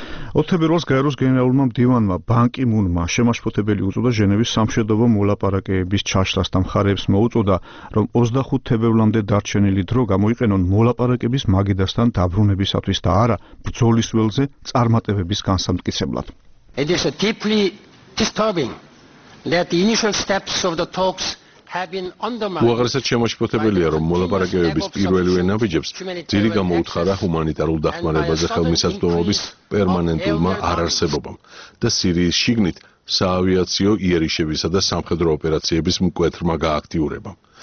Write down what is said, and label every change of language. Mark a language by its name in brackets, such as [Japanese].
[Georgian] 8 თებერვალს გაეროს გენერალურმა მდივანმა ბან კი მუნმა შემაშფოთებელი უწოდა ჟენევის სამშვიდობო მოლაპარაკებების ჩაშლას და მხარეებს მოუწოდა, რომ 25 თებერვლამდე დარჩენილი დრო გამოიყენონ მოლაპარაკების მაგიდასთან დაბრუნებისათვის და არა ბრძოლის ველზე წარმატებების განსამტკიცებლად. [English] It is deeply disturbing that the initial steps of the talks [Georgian] უაღრესად შემაშფოთებელია, რომ მოლაპარაკებების პირველივე ნაბიჯებს ძირი გამოუთხარა ჰუმანიტარულ დახმარებაზე ხელმისაწვდომობის პერმანენტულმა არარსებობამ და სირიის შიგნით საავიაციო იერიშებისა და სამხედრო ოპერაციების მკვეთრმა გააქტიურებამ.